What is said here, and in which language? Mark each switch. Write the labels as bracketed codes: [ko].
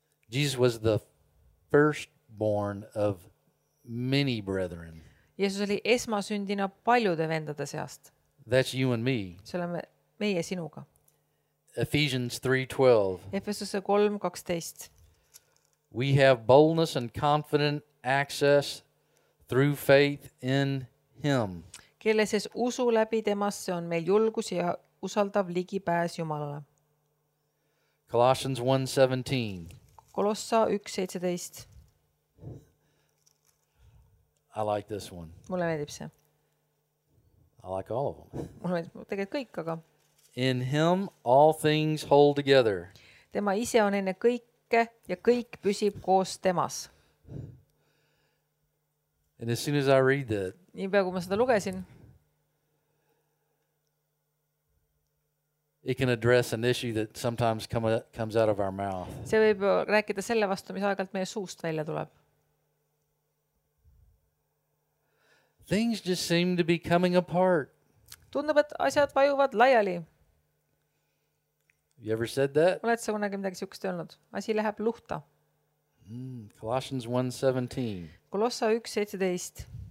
[en] Jesus was the firstborn of many brethren. [et] Jeesus oli esmasündina paljude vendade seast. [en] That's you and me. [et] See oleme meie sinuga. [en] Ephesians 3:12. [et] Efesus 3:12. [en] We have boldness and confident access through faith in him. [et] Kelle siis usu läbi temasse on meil julgus ja usaldav ligipääs Jumalale. [en] Colossians 1:17. [et] Kolossa 1:17. [en] I like this one. [et] Mulle meeldib see. [en] I like all of them. [et] Mulle meeldib tegelikult kõik, aga [en] in him all things hold together. [et] Tema ise on enne kõike ja kõik püsib koos temas. [en] And as soon as I read that, [et] nii pea kui ma seda lugesin, [en] it can address an issue that sometimes comes out of our mouth. [et] See võib rääkida selle vastu, mis aegalt meie suust välja tuleb. [en] Things just seem to be coming apart. [et] Tundub, et asjad vajuvad laiali. [en] You ever said that? [et] Oled sa kunagi midagi siukest öelnud? Asi läheb luhta. [en] Colossians 1:17. [et] Kolossa 1:17.